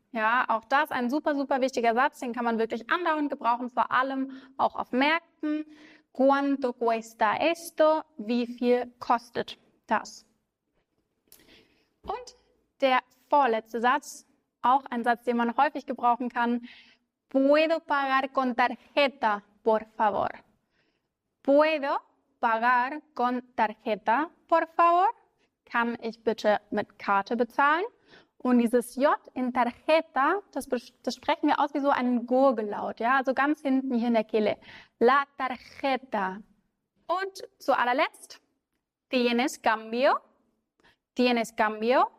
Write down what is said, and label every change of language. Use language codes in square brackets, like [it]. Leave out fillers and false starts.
[de] Ja, auch das ein super, super wichtiger Satz, den kann man wirklich andauernd gebrauchen, vor allem auch auf Märkten. [es] ¿Cuánto cuesta esto? [de] Wie viel kostet das? Und der vorletzte Satz, auch ein Satz, den man häufig gebrauchen kann. [es] ¿Puedo pagar con tarjeta, por favor? ¿Puedo pagar con tarjeta, por favor? [de] Kann ich bitte mit Karte bezahlen? Und dieses J in tarjeta, das sprechen wir aus wie so einen Gurgellaut, ja, also ganz hinten hier in der Kehle. [es] La tarjeta. [de] Und zu allerletzt, [es] ¿tienes cambio? ¿Tienes cambio?